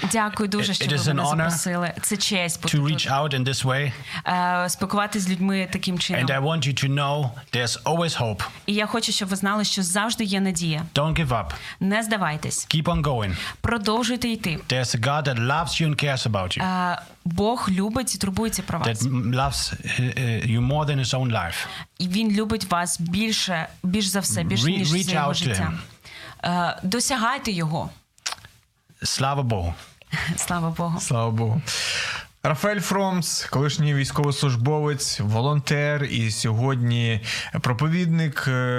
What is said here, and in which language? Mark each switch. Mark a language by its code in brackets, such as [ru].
[uk] Дякую дуже, що ви мене запросили. Це честь бути [en] to reach out in this way. [uk] Спілкуватися з людьми таким чином. [en] And I want you to know there's always hope. [uk] І я хочу, щоб ви знали, що завжди є надія. [en] Don't give up. [uk] Не здавайтесь. [en] Keep on going. [uk] Продовжуйте йти. [en] There's a God that loves you and cares about you. [uk] Бог любить і турбується про вас. [en] That loves you more than his own life. [uk] І він любить вас більше, більш за все, більш ніж своє життя. [en] Reach out to him. [uk] Досягайте його. Слава Богу. Слава Богу. Слава Богу. Рафаель Фромс, колишній військовослужбовець, волонтер і сьогодні проповідник.